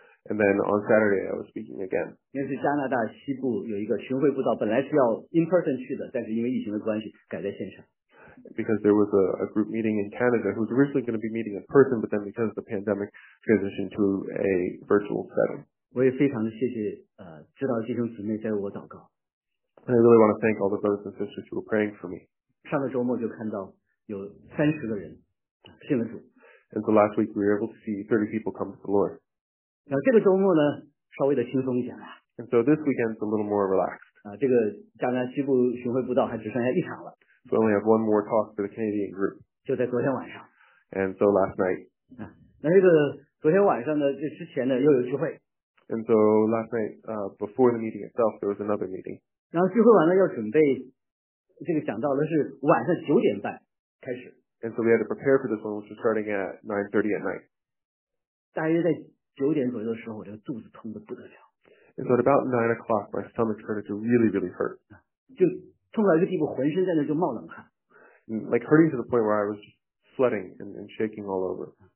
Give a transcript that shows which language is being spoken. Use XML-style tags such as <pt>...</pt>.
<en>And then on Saturday, I was speaking again.</en> <zh>因为是加拿大西部有一个巡回布道,本来是要in-person去的, 但是因为疫情的关系,改在线上。</zh> <en>Because there was a group meeting in Canada who was originally going to be meeting in person, but then because of the pandemic, transitioned to a virtual setting.</en> <zh>我也非常的谢谢知道弟兄姊妹在为我祷告。</zh> <en>And I really want to thank all the brothers and sisters who were praying for me.</en> <zh>上个周末就看到有30个人信了主。</zh> <en>And so last week we were able to see 30 people come to the Lord.</en> <zh>然后这个周末呢,稍微的轻松一点了。</zh> <en>And so this weekend's a little more relaxed.</en> <zh>这个加拿大西部巡回布道还只剩下一场了。</zh> <en>So we only have one more talk for the Canadian group.</en> <zh>就在昨天晚上。</zh> <en>And so last night.</en> <zh>那这个昨天晚上的之前呢,又有聚会。</zh> <en>And so last night, before the meeting itself, there was another meeting.</en> <zh>然后聚会完了要准备这个讲道的是晚上9点半开始。</zh> <en>And so we had to prepare for this one, which was starting at 9:30 at night.</en> <zh>大约在9点左右的时候,我的肚子痛得不得了。</zh> <en>And so at about 9 o'clock, my stomach started to really, really hurt.</en> <zh>就痛到一个地步,浑身在那就冒冷汗。</zh> <en>Like hurting to the point where I was sweating and shaking all over.</en>